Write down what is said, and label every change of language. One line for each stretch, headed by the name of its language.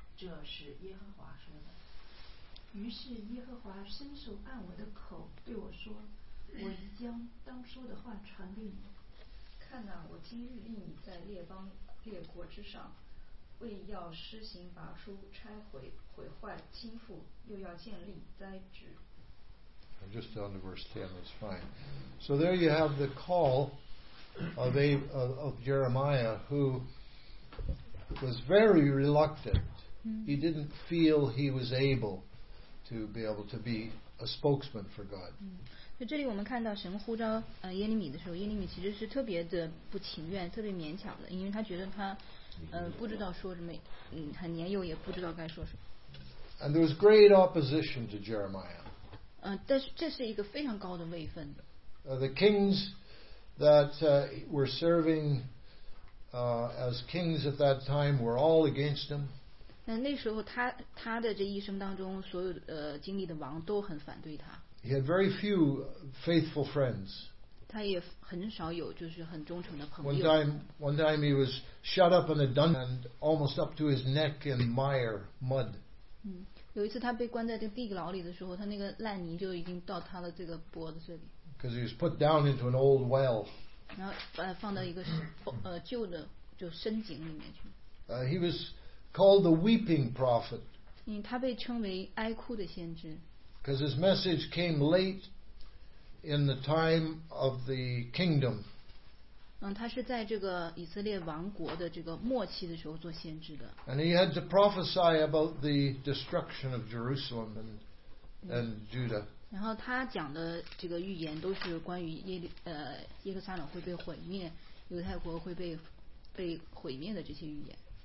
Chinese: 这是耶和华说的。于是耶和华伸手按我的口，对我说：“我已将当说的话传给你。看哪，我今日立你在列邦列国之上。” 为要施行拔出拆毁毁坏倾覆又要建立栽植。
English: I'm just down to verse 10, that's fine. So there you have the call of Jeremiah, who was very reluctant. He didn't feel he was able to be able to be a spokesman for God.
Chinese: 所以这里我们看到神呼召耶利米的时候，耶利米其实是特别的不情愿，特别勉强的，因为他觉得他不知道说什么，很年幼，也不知道该说什么。
English: And there was great opposition to Jeremiah.
Chinese: 但是这是一个非常高的位分。
English: The kings that were serving as kings at that time were all against him.
Chinese: 那时候他的这一生当中所有经历的王都很反对他。
English: He had very few faithful friends.
Chinese: 他也很少有就是很忠诚的朋友。
English: One time he was shut up in a dungeon and almost up to his neck in mire, mud.
Chinese: 有一次他被关在这个地牢里的时候，他那个烂泥就已经到他的这个脖子这里。
English: Because he was put down into an old well.
Chinese: 然后放到一个旧的就深井里面去。
English: He was called the weeping prophet.
Chinese: 他被称为哀哭的先知。
English: Because his message came late. In the time of the kingdom,
Chinese: 嗯，他是在这个以色列王国的这个末期的时候做先知的。
English: And he had to prophesy about the destruction of Jerusalem and Judah.
Chinese: 然后他讲的这个预言都是关于耶路撒冷会被毁灭，犹太国会被毁灭的这些预言。